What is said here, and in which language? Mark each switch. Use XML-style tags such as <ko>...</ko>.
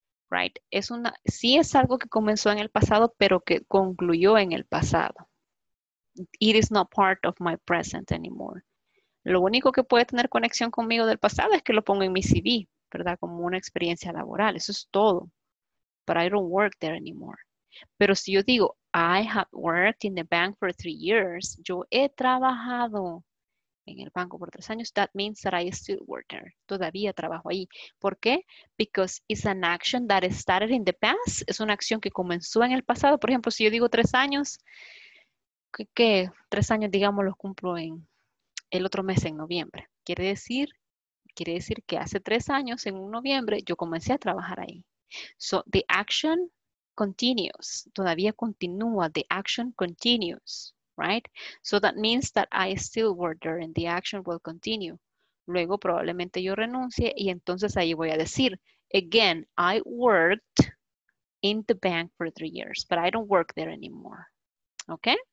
<es>Right, es una, sí es algo que comenzó en el pasado, pero que concluyó en el pasado.</es> <en>It is not part of my present anymore.</en> <es>Lo único que puede tener conexión conmigo del pasado es que lo pongo en mi CV, ¿verdad? Como una experiencia laboral, eso es todo.</es> <en>But I don't work there anymore.</en> <es>Pero si yo digo,</es> <en>I have worked in the bank for 3 years,</en> <es>yo he trabajado en el banco por 3 años,</es> <en>that means that I still work there.</en> <es>Todavía trabajo ahí. ¿Por qué?</es> <en>Because it's an action that started in the past.</en> <es>Es una acción que comenzó en el pasado. Por ejemplo, si yo digo 3 años, ¿qué? 3 años, digamos, los cumplo en el otro mes, en noviembre. Quiere decir que hace 3 años, en un noviembre, yo comencé a trabajar ahí.</es> <en>So, the action continues.</en> <es>Todavía continúa.</es> <en>The action continues. Right? So that means that I still work there and the action will continue.</en> <es>Luego probablemente yo renuncie y entonces ahí voy a decir,</es> <en>again, I worked in the bank for 3 years, but I don't work there anymore.</en> <es>¿Ok?</es>